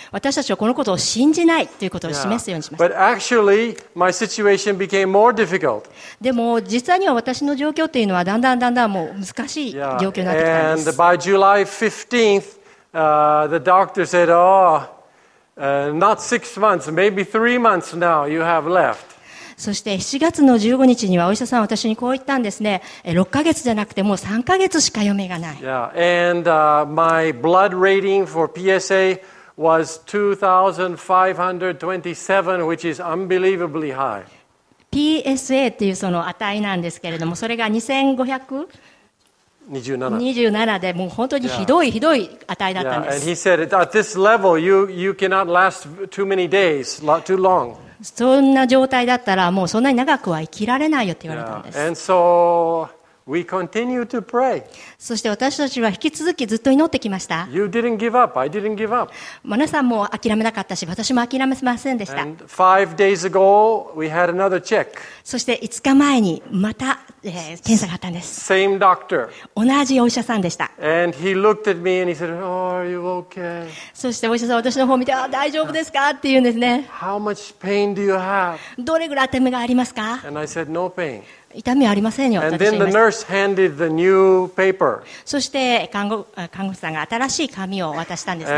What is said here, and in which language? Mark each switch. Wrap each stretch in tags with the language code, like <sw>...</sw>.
<ja>私たちはこのことを信じないということを示すようにします。</ja> <en>But actually, my situation became more difficult.</en> <ja>でも実際には私の状況というのはだんだんだんだんもう難しい状況になってきたんです。</ja> <en>And by July 15th, the doctor said, oh,not 6 months, maybe 3 months now you have left.</en> <ja>そして7月の15日にはお医者さんは私にこう言ったんですね。 6ヶ月じゃなくてもう3ヶ月しか余命がない。</ja> <en>Yeah, and my blood rating for PSA was 2,527, which is unbelievably high.</en> <ja>PSA っていうその値なんですけれども、それが2527でもう本当にひどい、</ja> <en>yeah.</en> <ja>ひどい値だったんです。</ja> <en>Yeah. And he said, at this level, you cannot last too many days, too long.</en> <ja>そんな状態だったらもうそんなに長くは生きられないよって言われたんです。</ja> <en>Yeah. And so we continue to pray.</en> <ja>そして私たちは引き続きずっと祈ってきました。</ja> <en>You didn't give up. I didn't give up.</en> <ja>皆さんも諦めなかったし、私も諦めませんでした。</ja> <en>And 5 days ago, we had another check.</en> <ja>そして5日前にまた検査があったんです。</ja> <en>Same doctor.</en> <ja>同じお医者さんでした。</ja> <en>And he looked at me and he said, oh, are you okay?</en> <ja>そしてお医者さんは私の方を見て、大丈夫ですかって言うんですね。</ja> <en>How much pain do you have?</en> <ja>どれぐらい痛みがありますか?</ja> <en>And I said, no pain.</en> <ja>痛みはありませんよ。</ja> <en>And then the nurse handed the new paper.</en> <ja>そして看護師さんが新しい紙を渡したんですね。</ja>